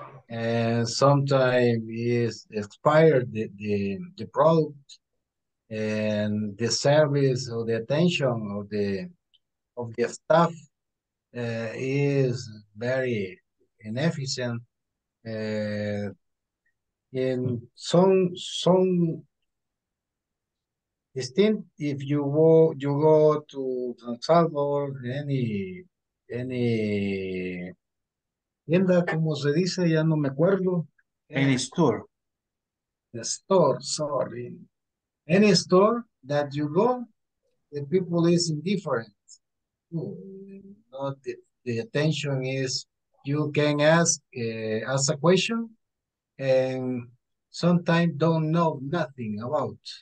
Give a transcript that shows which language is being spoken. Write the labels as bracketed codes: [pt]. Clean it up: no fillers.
[en] And sometimes it's expired the product, and the service or the attention of the staff is very inefficient. In some distinct, if you go to San Salvador, any. [es] Tienda, como se dice, ya no me acuerdo. [en] Any store. The store, sorry. Any store that you go, the people is indifferent. Not the attention is, you can ask a question, and sometimes don't know nothing about